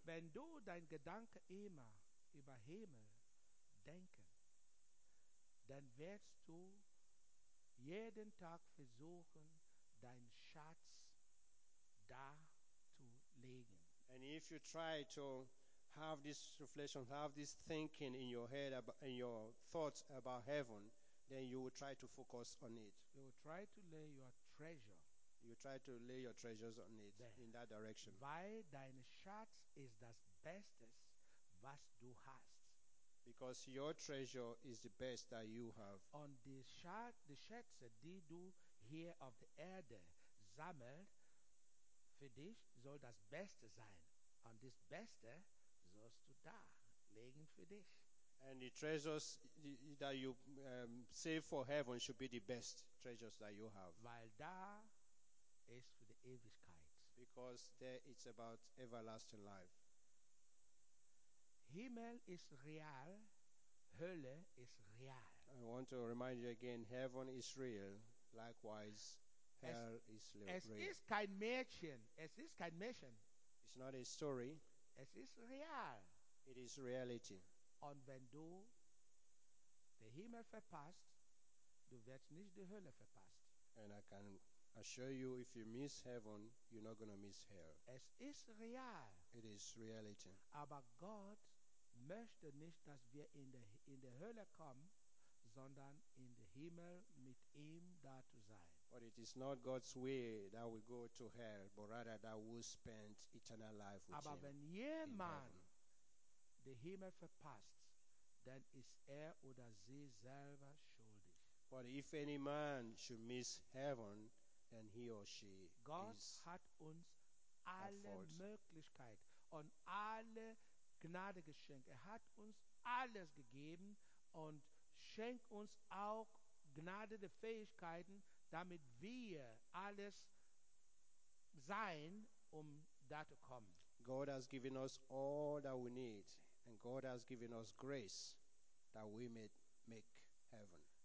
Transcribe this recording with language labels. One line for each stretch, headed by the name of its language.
German: Wenn du dein Gedanke immer über Himmel denken, dann wirst du jeden Tag versuchen, dein Schatz da zu legen.
English: And if you try to have this reflection, have this thinking in your head, in your thoughts about heaven, then you will try to focus on it. You will try to lay your treasure. You try to lay your treasures on it, there, in that direction.
German: Weil dein Schatz ist das Beste, was du hast.
English: Because your treasure is the best that you have.
German: Und die Schätze, die du hier auf der Erde sammelst, für dich soll das Beste sein. Und das Beste sollst du da legen für dich.
English: And the treasures that you save for heaven should be the best treasures that you have.
German: Weil da ist für die Ewigkeit.
English: Because there it's about everlasting life.
German: Himmel ist real, Hölle ist real.
English: I want to remind you again, heaven is real, likewise hell is real.
German: Es ist kein Märchen, es ist kein Märchen.
English: It's not a story.
German: Es ist real.
English: It is reality.
German: Und wenn du den Himmel verpasst, du wirst nicht die Hölle verpasst.
English: And I can assure you, if you miss heaven, you're not going to miss hell.
German: Es ist real.
English: It is reality.
German: Aber Gott möchte nicht, dass wir in der Hölle kommen, sondern in den Himmel mit ihm da zu sein.
English: But it is not God's way that we go to hell, but rather that we spend eternal life with
German: Aber Aber wenn jemand den Himmel verpasst, dann ist oder sie selber schuldig.
English: But if any man should miss heaven, then he or she God is
German: God hat uns alle Möglichkeit und alle Gnade geschenkt. Hat uns alles gegeben und schenkt uns auch Gnade der Fähigkeiten, damit wir alles sein, da zu kommen.
English: God has given us all that we need. And God has given us grace that we may make heaven.